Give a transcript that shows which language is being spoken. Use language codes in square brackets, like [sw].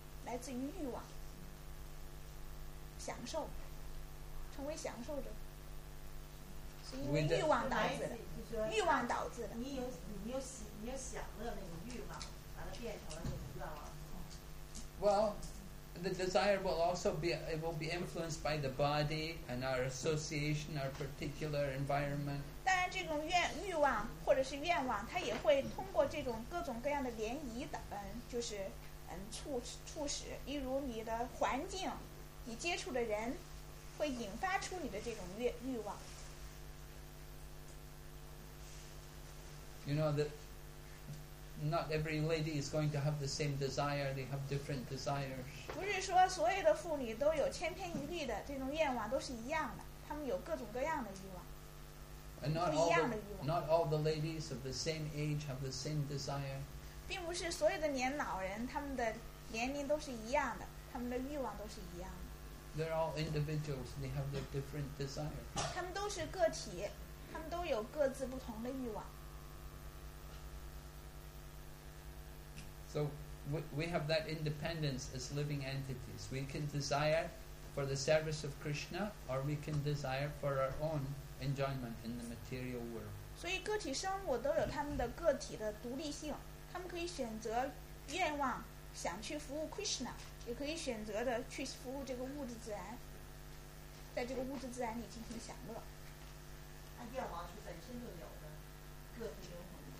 [zh] 来自于欲望，享受，成为享受者，是因为欲望导致的，欲望导致的。你有享乐那种欲望，把它变成了那种愿望。 [en] Well, the desire will also be it will be influenced by the body and our association, our particular environment. [zh] 当然，这种欲望或者是愿望，它也会通过这种各种各样的涟漪的，就是。促使，例如你的环境，你接触的人，会引发出你的这种欲望。 [en] You know that not every lady is going to have the same desire. They have different desires. [zh] 不是说所有的妇女都有千篇一律的这种愿望，都是一样的。她们有各种各样的欲望。 [en] And not all the ladies of the same age have the same desire. [zh] 并不是所有的年老人，他们的年龄都是一样的，他们的欲望都是一样的。 [en] They're all individuals. They have their different desires. [zh] 他们都是个体，他们都有各自不同的欲望。 [en] So we have that independence as living entities. We can desire for the service of Krishna, or we can desire for our own enjoyment in the material world. [zh] 所以个体生物都有他们的个体的独立性。他们可以选择愿望想去服务 Krishna， 也可以选择的去服务这个物质自然，在这个物质自然里进行享乐。那愿望是本身就有的，个体灵魂。